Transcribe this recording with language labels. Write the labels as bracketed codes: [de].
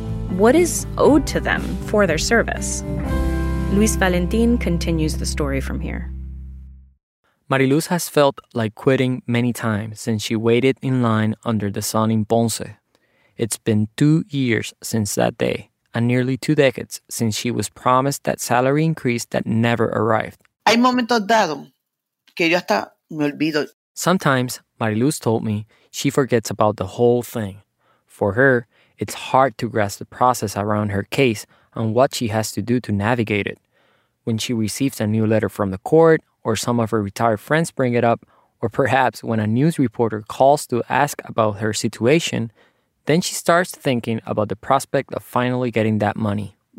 [en] What is owed to them for their service? Luis Valentin continues the story from here. Mariluz has felt like quitting many times since she waited in line under the sun in Ponce. It's been 2 years since that day, and nearly two decades since she was promised that salary increase that never arrived. [es] Hay momentos dado que yo hasta me olvido. [en] Sometimes, Mariluz told me, she forgets about the whole thing. For her, it's hard to grasp the process around her case and what she has to do to navigate it. When she receives a new letter from the court, or some of her retired friends bring it up, or perhaps when a news reporter calls to ask about her situation, then she starts thinking about the prospect of finally getting that money.